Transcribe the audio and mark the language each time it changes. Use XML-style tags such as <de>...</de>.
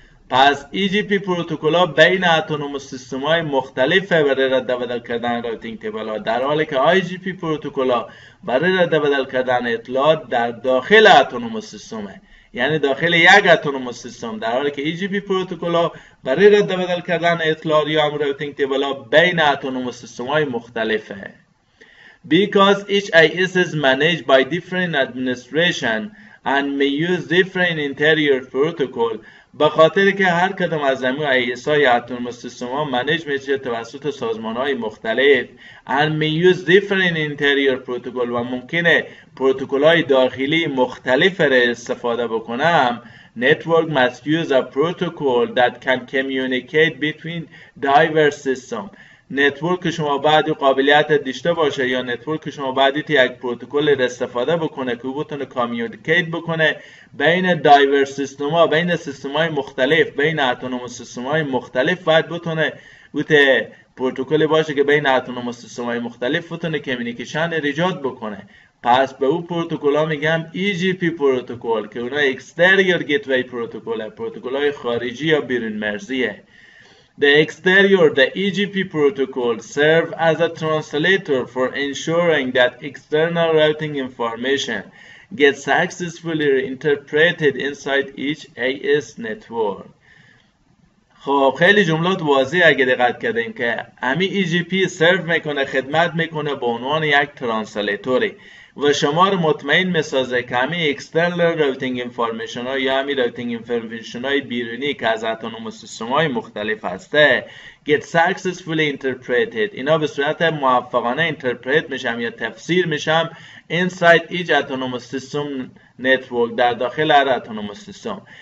<fa>پس EGP پروتکل ها بین autonomous system های مختلف برای رد و بدل کردن routing table ها، در حالی که IGP پروتکل ها برای رد و بدل کردن اطلاعات در داخل autonomous system هست، یعنی داخل یک اتونوموس سیستم، در حالی که EGP پروتکل ها برای رد و بدل کردن اطلاعات یا هم روتینگ تیبل ها بین اتونوموس سیستم های مختلفه.</fa> <en>Because each IS is managed by different administration and may use different interior protocol.</en> <fa>به خاطر که هر کدام از همین IS های اتونوموس سیستم ها منیج میشه توسط سازمان های مختلف،</fa> <en>and may use different interior protocol</en> <fa>و ممکنه پروتکل های داخلی مختلف را استفاده بکنم،</fa> <en>network must use a protocol that can communicate between diverse system.</en> <fa>نتورک شما باید قابلیت داشته باشه، یا نتورک شما باید یک پروتکل استفاده بکنه که بتونه کامیونیکیت بکنه بین دایور سیستم ها، بین سیستم های مختلف، بین اتونوموس سیستم های مختلف. باید بتونه بوت پروتکل باشه که بین اتونوموس سیستم های مختلف بتونه کمیونیکیشن ایجاد بکنه. پس به اون پروتکل ها میگم EGP پروتکل، که اونها اکستریور گیتوی پروتکل، پروتکل های خارجی یا بیرون مرزیه.</fa> <en>The exterior, the EGP protocol, serve as a translator for ensuring that external routing information gets successfully interpreted inside each AS network.</en> <fa>خب خیلی جملات واضحه اگه دقت کردیم که همین EGP سرو میکنه، خدمت میکنه به عنوان یک ترانسلیتوری و شما رو مطمئن میسازه که همه اکسترنال روتینگ انفارمیشن ها یا همه روتینگ انفارمیشن های بیرونی که از اتونوموس سیستم های مختلف هسته</fa> <en>get successfully interpreted،</en> <fa>اینا به صورت موفقانه انترپریت میشم یا تفسیر میشم</fa> <en>inside each autonomous system network،</en> <fa>در داخل هر اتونوموس سیستم.</fa>